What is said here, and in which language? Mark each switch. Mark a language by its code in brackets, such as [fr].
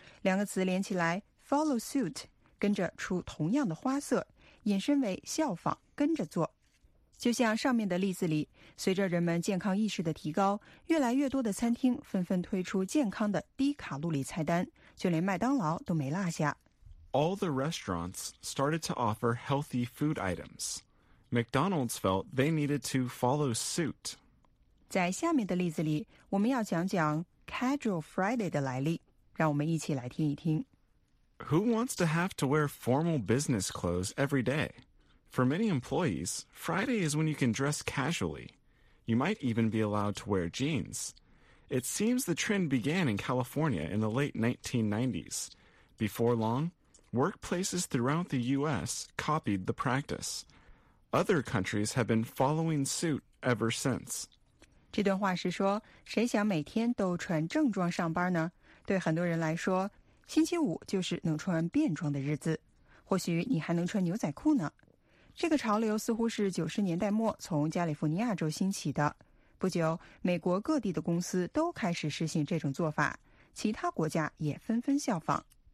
[zh] 两个词连起来 follow suit， 跟着出同样的花色，引申为效仿，跟着做。就像上面的例子里，随着人们健康意识的提高，越来越多的餐厅纷纷推出健康的低卡路里菜单，就连麦当劳都没落下。 [en] All the restaurants started to offer healthy food items. McDonald's felt they needed to follow suit. [zh] 在下面的例子里，我们要讲讲 Casual Friday 的来历，让我们一起来听一听。 [en] Who wants to have to wear formal business clothes every day? For many employees, Friday is when you can dress casually. You might even be allowed to wear jeans. It seems the trend began in California in the late 1990s. Before long, workplaces throughout the U.S. copied the practice. Other countries have been following suit ever since. [zh] 这段话是说，谁想每天都穿正装上班呢？对很多人来说，星期五就是能穿便装的日子，或许你还能穿牛仔裤呢。这个潮流似乎是90年代末从加利福尼亚州兴起的。不久，美国各地的公司都开始实行这种做法，其他国家也纷纷效仿。